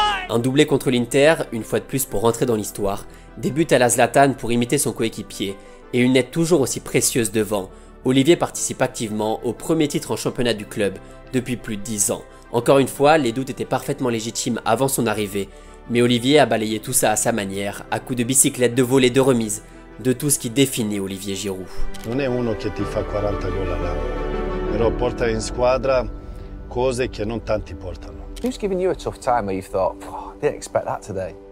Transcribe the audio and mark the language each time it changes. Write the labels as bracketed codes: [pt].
[fr] Un doublé contre l'Inter, une fois de plus pour rentrer dans l'histoire, des buts à la Zlatan pour imiter son coéquipier, et une aide toujours aussi précieuse devant. Olivier participe activement au premier titre en championnat du club depuis plus de 10 ans. Encore une fois, les doutes étaient parfaitement légitimes avant son arrivée, mais Olivier a balayé tout ça à sa manière, à coups de bicyclette, de volée, de remise, de tout ce qui définit Olivier Giroud. [it] Non è uno che ti fa 40 gol all'anno, però porta in squadra cose che non tanti portano. [en] Who's giving you a tough time where you thought, didn't expect that today?